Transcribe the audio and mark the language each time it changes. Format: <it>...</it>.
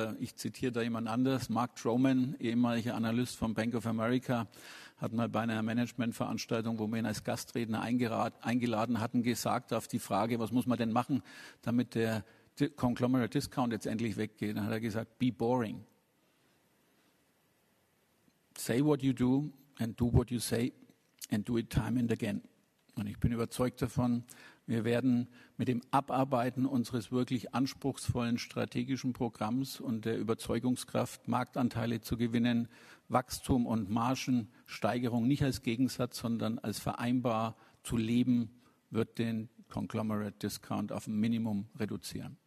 <de>Ich zitiere da jemand anders. Mark Troman, ehemaliger Analyst von Bank of America, hat mal bei einer Managementveranstaltung, wo wir ihn als Gastredner eingeladen hatten, gesagt auf die Frage, was muss man denn machen, damit der Conglomerate Discount jetzt endlich weggeht. Dann hat er gesagt,</de> <en>be boring. Say what you do and do what you say and do it time and again.</en> <de>Und ich bin überzeugt davon, wir werden mit dem Abarbeiten unseres wirklich anspruchsvollen strategischen Programms und der Überzeugungskraft, Marktanteile zu gewinnen, Wachstum und Margensteigerung nicht als Gegensatz, sondern als vereinbar zu leben, wird den Conglomerate Discount auf ein Minimum reduzieren.</de>